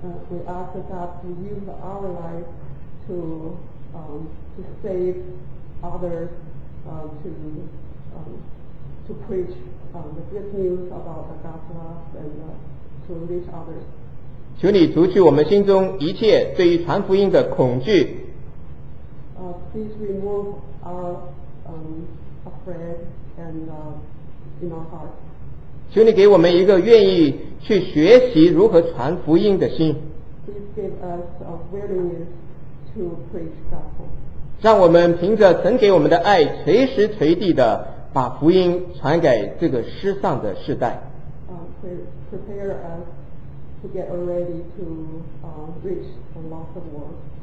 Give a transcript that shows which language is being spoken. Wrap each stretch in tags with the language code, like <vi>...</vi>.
<en>We ask God to use our life to save others, to preach the good news about the gospel and to reach others.</en> <zh>求你除去我们心中一切对于传福音的恐惧。</zh> <en>Please remove our afraid and in our heart.</en> <zh>求你给我们一个愿意去学习如何传福音的心。</zh> <en>Please give us a willingness to preach gospel.</en> <zh>让我们凭着神给我们的爱，随时随地的把福音传给这个失丧的世代。</zh> <en>Prepare us to get ready to reach the lost world.</en>